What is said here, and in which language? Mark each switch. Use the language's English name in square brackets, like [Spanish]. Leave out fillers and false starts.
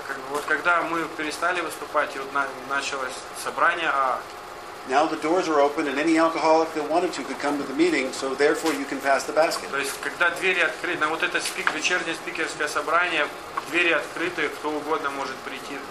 [Russian] Вот когда мы перестали выступать, и вот началось собрание АА. [English] Now the doors are open and any alcoholic that wanted to could come to the meeting, so therefore you can pass the basket. [Russian] То есть когда двери открыты, на вот это вечернее спикерское собрание, двери открыты, кто угодно может прийти.